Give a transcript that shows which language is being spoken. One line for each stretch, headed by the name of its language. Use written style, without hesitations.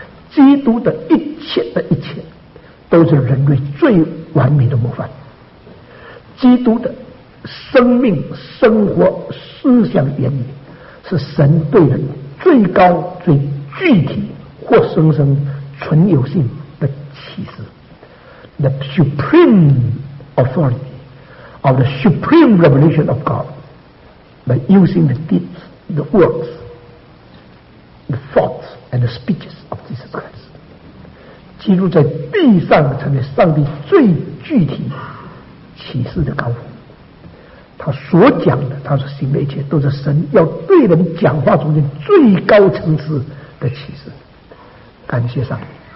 Chinese: 基督的一切的一切都是人类最完美的模范。基督的生命、生活、思想、言语是神对人最高、最具体或生生存有性的启示。
English: The supreme authority of the supreme revelation of God by using the deeds, the words, the thoughts and the speeches of Jesus Christ.
Chinese: 基督在地上成为上帝最具体启示的高峰，他所讲的，他所行的一切，都是神要对人讲话中间最高层次的启示。感谢上帝。